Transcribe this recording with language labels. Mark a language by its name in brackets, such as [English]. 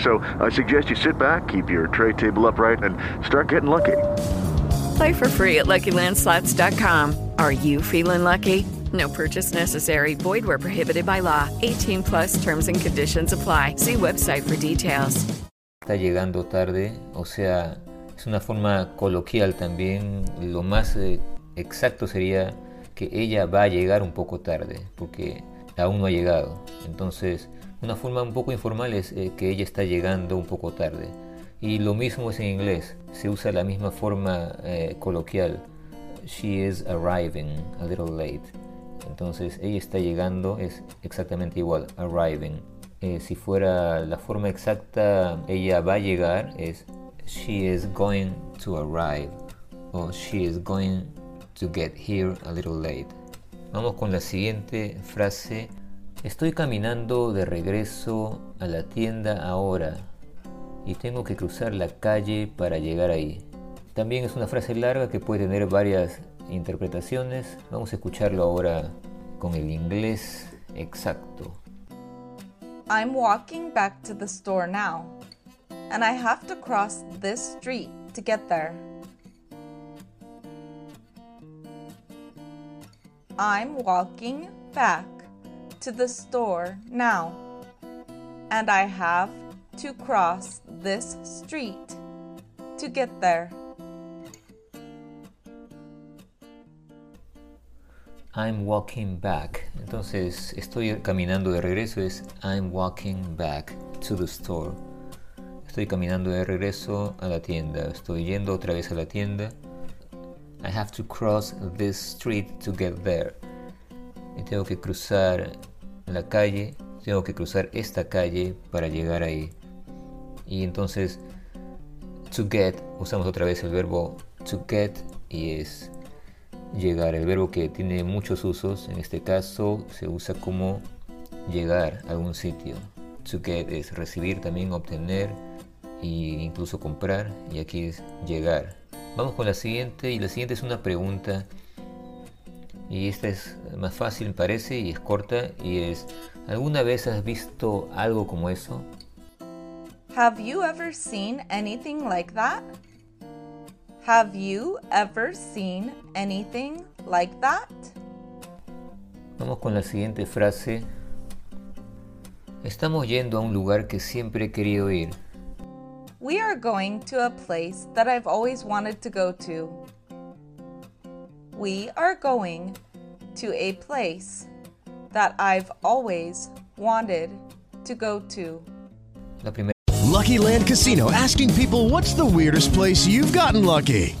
[English] So I suggest you sit back, keep your tray table upright, and start getting lucky. Play for free at LuckyLandSlots.com. Are you feeling lucky? No purchase necessary. Void where prohibited by law. 18 plus terms and conditions apply. See website for details. [Spanish] Está llegando tarde, o sea, es una forma coloquial también. Lo más exacto sería que ella va a llegar un poco tarde, porque aún no ha llegado. Entonces, una forma un poco informal es que ella está llegando un poco tarde. Y lo mismo es en inglés, se usa la misma forma coloquial. [English] She is arriving a little late. [Spanish] Entonces, ella está llegando, es exactamente igual, arriving. Si fuera la forma exacta, ella va a llegar, es [English] she is going to arrive. O she is going to get here a little late. [Spanish] Vamos con la siguiente frase. Estoy caminando de regreso a la tienda ahora y tengo que cruzar la calle para llegar ahí. También es una frase larga que puede tener varias interpretaciones. Vamos a escucharlo ahora con el inglés exacto. [English] I'm walking back to the store now, and I have to cross this street to get there. I'm walking back to the store now, and I have to cross this street to get there. I'm walking back. [Spanish] Entonces, estoy caminando de regreso. Es [English] I'm walking back to the store. [Spanish] Estoy caminando de regreso a la tienda. Estoy yendo otra vez a la tienda. [English] I have to cross this street to get there. [Spanish] Y tengo que cruzar la calle. Tengo que cruzar esta calle para llegar ahí. Y entonces, to get, usamos otra vez el verbo to get y es llegar, el verbo que tiene muchos usos, en este caso se usa como llegar a algún sitio. To get es recibir, también obtener e incluso comprar, y aquí es llegar. Vamos con la siguiente, y la siguiente es una pregunta, y esta es más fácil me parece, y es corta, y es, ¿alguna vez has visto algo como eso? [English] Have you ever seen anything like that? Have you ever seen anything like that? [Spanish] Vamos con la siguiente frase. Estamos yendo a un lugar que siempre he querido ir. [English] We are going to a place that I've always wanted to go to. We are going to a place that I've always wanted to go to. Lucky Land Casino, asking people, what's the weirdest place you've gotten lucky?